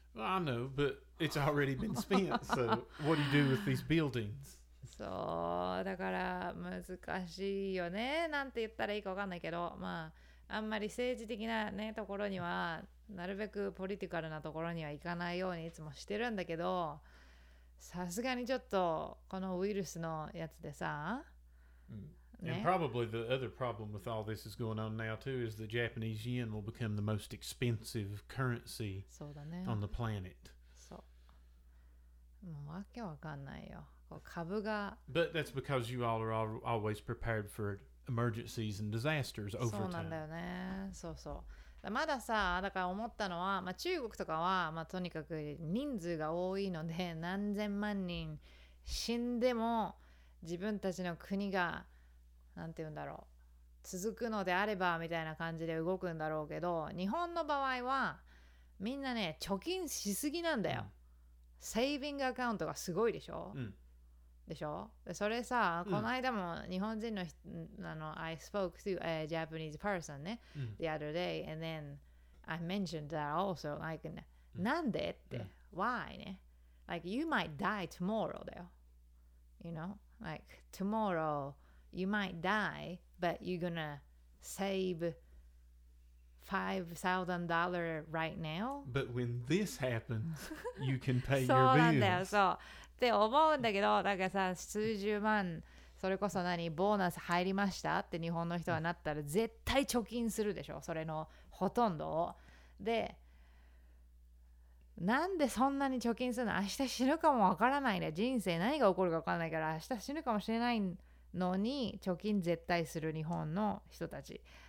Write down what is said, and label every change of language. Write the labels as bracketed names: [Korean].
[English] well, I know but it's already been spent so what do you do with these buildings [Japanese] そうだから難しいよねなんて言ったらいいか分かんないけど、まあ、あんまり政治的な、ね、ところにはなるべくポリティカルなところにはいかないようにいつもしてるんだけどさすがにちょっとこのウイルスのやつでさ [English] And probably the other problem with all this is going on now too is the Japanese yen will become the most expensive currency on the planet. [Japanese] そう。わけわかんないよ。こう株が。 [English] But that's because you all are always prepared for emergencies and disasters over time. [Japanese] そうなんだよね。そうそう。まださ、だから思ったのは、まあ、中国とかは、まあ、とにかく人数が多いので何千万人死んでも自分たちの国がなんて言うんだろう続くのであればみたいな感じで動くんだろうけど日本の場合はみんなね貯金しすぎなんだよ、うん、セービングアカウントがすごいでしょ、うん、でしょでそれさ、うん、この間も日本人の人あの [English] I spoke to a Japanese person [Japanese] ね、うん、 [English] the other day and then I mentioned that also like、うん、 [Japanese] なんでって、 [English] うん、why ね like you might die tomorrow だよ you knowLike, tomorrow, you might die, but you're gonna save $5,000 right now. But when this happens, you can pay [Japanese] そうなんだよ、そう。って思うんだけど、だからさ、数十万、それこそ何、ボーナス入りましたって日本の人はなったら、絶対貯金するでしょ、それのほとんどを。で、なんでそんなに貯金するの明日死ぬかもわからないね人生何が起こるかわからないから明日死ぬかもしれないのに貯金絶対する日本の人たち